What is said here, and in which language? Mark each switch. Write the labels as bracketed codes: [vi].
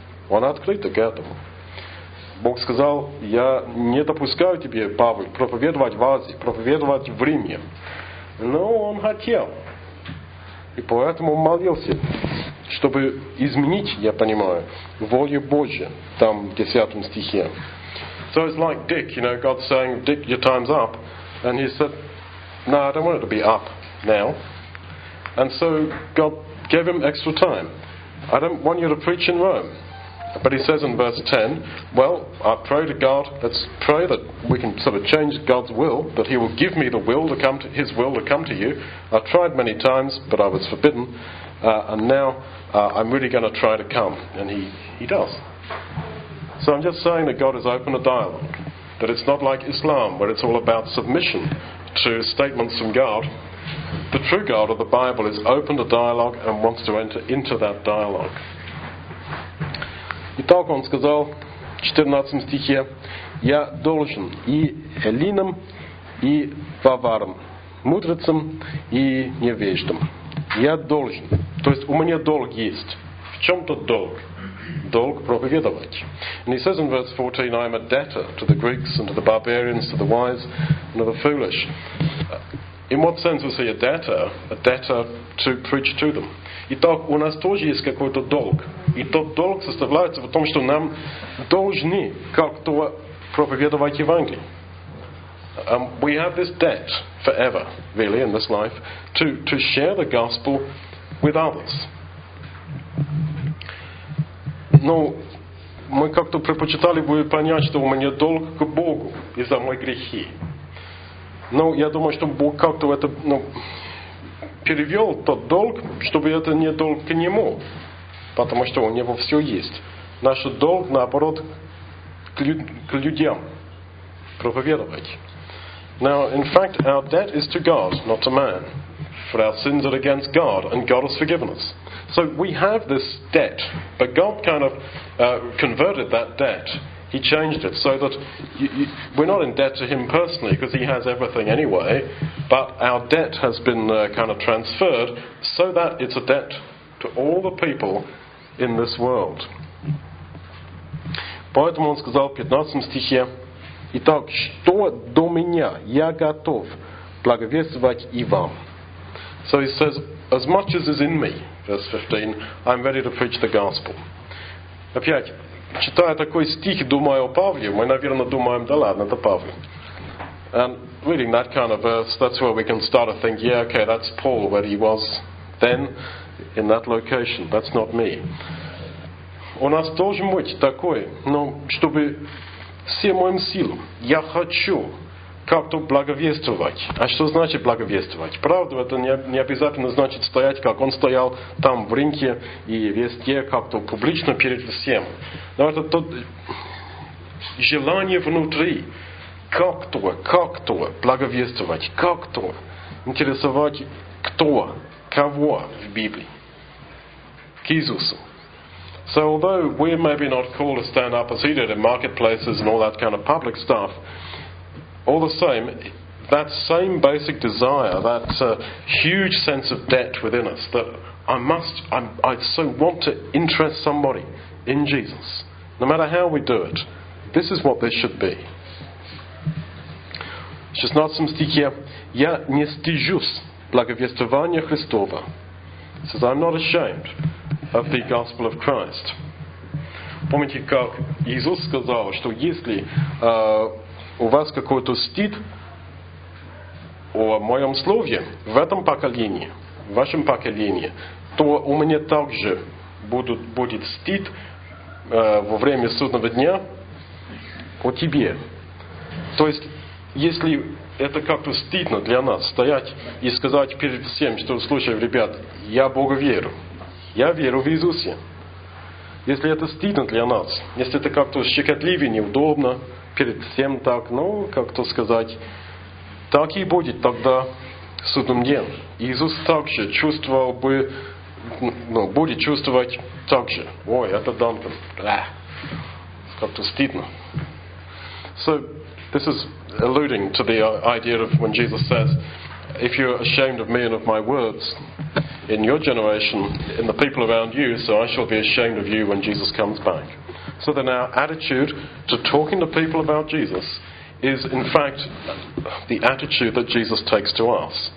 [ru] Он открыт к этому. Бог сказал, я не допускаю тебе, Павел, проповедовать в Азии, проповедовать в Риме. Но он хотел. И поэтому молился, чтобы изменить, я понимаю, волю Божию. Там в 10 стихе. [en] So it's like Dick, you know, God saying, Dick, your time's up. And he said, no, I don't want it to be up now. And so God gave him extra time. I don't want you to preach in Rome. But he says in verse 10, well, I pray to God, let's pray that we can sort of change God's will, that he will give me the will to come to, his will to come to you. I tried many times, but I was forbidden. And now I'm really going to try to come. And he does. So I'm just saying that God has opened a dialogue, that it's not like Islam, where it's all about submission to statements from God. The true God of the Bible is open to dialogue and wants to enter into that dialogue. [ru] Итак, он сказал в 14 стихе, я должен и эллинам, и варварам, мудрецам и невеждам. Я должен. То есть у меня долг есть. В чем-то долг. Долг проповедовать. [en] And he says in verse 14, I am a debtor to the Greeks and to the barbarians, to the wise and to the foolish. In what sense was he a debtor to preach to them? [ru] Итак, у нас тоже есть какой-то долг. И тот долг составляется в том, что нам должны как-то проповедовать Евангелие. [en] We have this debt forever, really, in this life, to share the gospel with others. [ru] Но мы как-то предпочитали бы понять, что у меня долг к Богу из-за моих грехи. Ну, я думаю, что Бог как-то это, ну, перевел тот долг, чтобы это не долг к Нему, потому что у Него все есть. Наш долг, наоборот, к людям проповедовать. [en] Now, in fact, our debt is to God, not to man. For our sins are against God, and God has forgiven us. So we have this debt, but God kind of converted that debt. He changed it so that we're not in debt to him personally because he has everything anyway, but our debt has been kind of transferred so that it's a debt to all the people in this world. [ru] Поэтому он сказал в 15 стихе, «Итак, что до меня, я готов благовествовать и вам». [en] So he says, as much as is in me, verse 15, I'm ready to preach the gospel. [ru] Опять, читая такой стих, думая о Павле, мы, наверное, думаем, да ладно, это Павел. [en] And reading that kind of verse, that's where we can start to think, yeah, okay, that's Paul, where he was then, in that location. That's not me. [ru] У нас должен быть такой, но чтобы всем моим силам, я хочу как то благовествовать. А что значит благовествовать? Правда, это не обязательно значит стоять, как он стоял там в рынке и везде как-то публично перед всем. Но это то желание внутри, как-то благовествовать, как-то интересовать кто, кого в Библии, к Иисусу. [en] So although we're maybe not called to stand up and seated in marketplaces and all that kind of public stuff, all the same, that same basic desire, that huge sense of debt within us, that I so want to interest somebody in Jesus, no matter how we do it, this is what this should be. [ru] В 16 стихе, я не стыжусь благовествования Христова. [en] It says, I'm not ashamed of the gospel of Christ. [ru] Помните, как Иисус сказал, что если у вас какой-то стыд о моем слове в этом поколении, в вашем поколении, то у меня также будет стыд во время судного дня о тебе. То есть, если это как-то стыдно для нас стоять и сказать перед всем, что, слушай, ребят, я Богу верю. Я верю в Иисусе. Если это стыдно для нас, если это как-то щекотливее, неудобно, перед всем так, ну, как-то сказать, так и будет тогда в судном дне. Иисус также чувствовал бы, ну, будет чувствовать так же. Ой, это Данкан. Как-то стыдно. [en] So, this is alluding to the idea of when Jesus says, if you're ashamed of me and of my words in your generation, in the people around you, so I shall be ashamed of you when Jesus comes back. So then our attitude to talking to people about Jesus is in fact the attitude that Jesus takes to us.